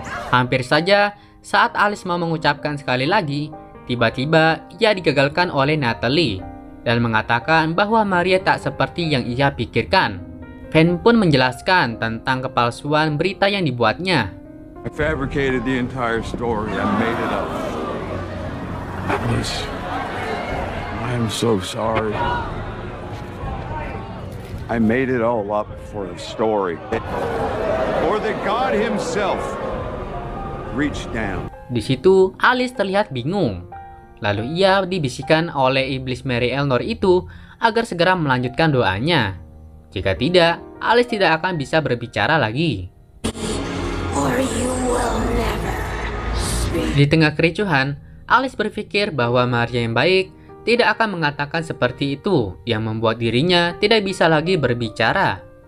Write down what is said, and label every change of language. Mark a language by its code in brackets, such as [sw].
[id] Hampir saja, saat Alice mau mengucapkan sekali lagi, tiba-tiba ia digagalkan oleh Natalie dan mengatakan bahwa Maria tak seperti yang ia pikirkan. Van pun menjelaskan tentang kepalsuan berita yang dibuatnya. [en] I fabricated the entire story and made it up. Alice. I'm so sorry. I made it all up for a story. Or that God himself reached down. [id] Di situ Alice terlihat bingung. Lalu ia dibisikkan oleh iblis Mary Elnor itu agar segera melanjutkan doanya. Jika tidak, Alice tidak akan bisa berbicara lagi. [en] Or you will never speak. [id] Di tengah kericuhan, Alice berpikir bahwa Maria yang baik tidak akan mengatakan seperti itu yang membuat dirinya tidak bisa lagi berbicara.